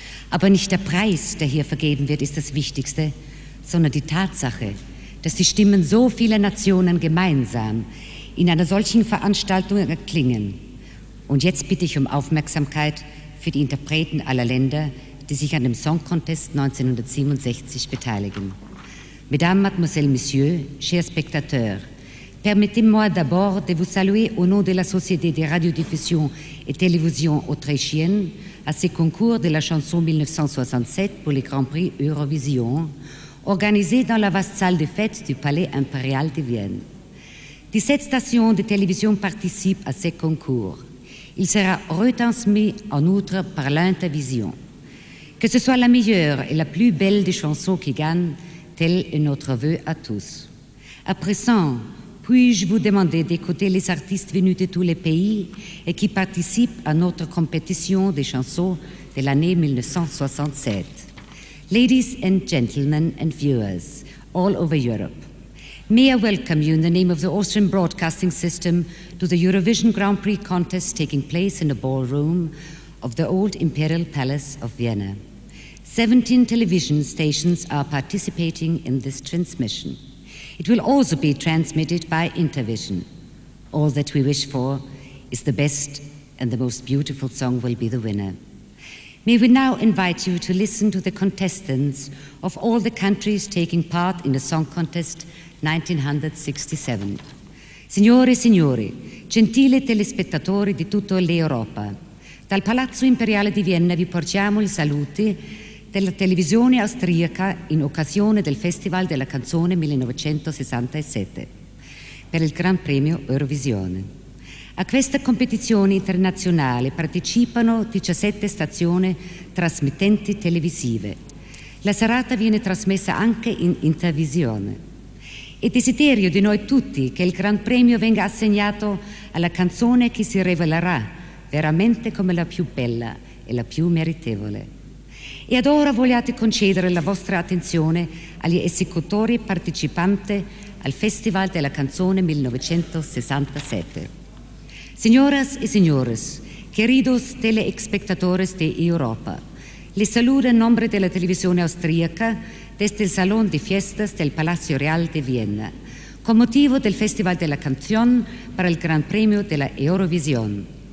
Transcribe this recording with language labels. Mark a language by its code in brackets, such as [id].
[de] Aber nicht der Preis, der hier vergeben wird, ist das Wichtigste, sondern die Tatsache, dass die Stimmen so vieler Nationen gemeinsam in einer solchen Veranstaltung erklingen. Und jetzt bitte ich um Aufmerksamkeit für die Interpreten aller Länder, die sich an dem Song Contest 1967 beteiligen. [fr] Mesdames, Mademoiselles, Messieurs, chers spectateurs, permettez-moi d'abord de vous saluer au nom de la Société de Radiodiffusion et Télévision autrichienne à ce concours de la chanson 1967 pour le Grand Prix Eurovision, organisé dans la vaste salle de fête du Palais Impérial de Vienne. 17 stations de télévision participent à ce concours. Il sera retransmis en outre par l'Intervision. Que ce soit la meilleure et la plus belle des chansons qui gagne, tel est notre vœu à tous. À présent, puis-je vous demander d'écouter les artistes venus de tous les pays et qui participent à notre compétition des chansons de l'année 1967. [en] Ladies and gentlemen and viewers all over Europe, may I welcome you in the name of the Austrian Broadcasting System to the Eurovision Grand Prix Contest taking place in the ballroom of the old Imperial Palace of Vienna. 17 television stations are participating in this transmission. It will also be transmitted by Intervision. All that we wish for is the best and the most beautiful song will be the winner. May we now invite you to listen to the contestants of all the countries taking part in the Song Contest 1967. [it] Signore e signori, gentili telespettatori di tutta l'Europa, Dal Palazzo Imperiale di Vienna vi porgiamo i saluti della televisione austriaca in occasione del Festival della Canzone 1967 per il Gran Premio Eurovisione. A questa competizione internazionale partecipano 17 stazioni trasmittenti televisive. La serata viene trasmessa anche in intervisione. È desiderio di noi tutti che il Gran Premio venga assegnato alla canzone che si rivelerà veramente come la più bella e la più meritevole. E ad ora vogliate concedere la vostra attenzione agli esecutori partecipanti al Festival della Canzone 1967. [es] Signoras e signores, queridos telespectadores de Europa, les saludo en nombre de la televisión austríaca desde el Salón de Fiestas del Palacio Real de Viena, con motivo del Festival de la Canción para el Gran Premio de la Eurovisión.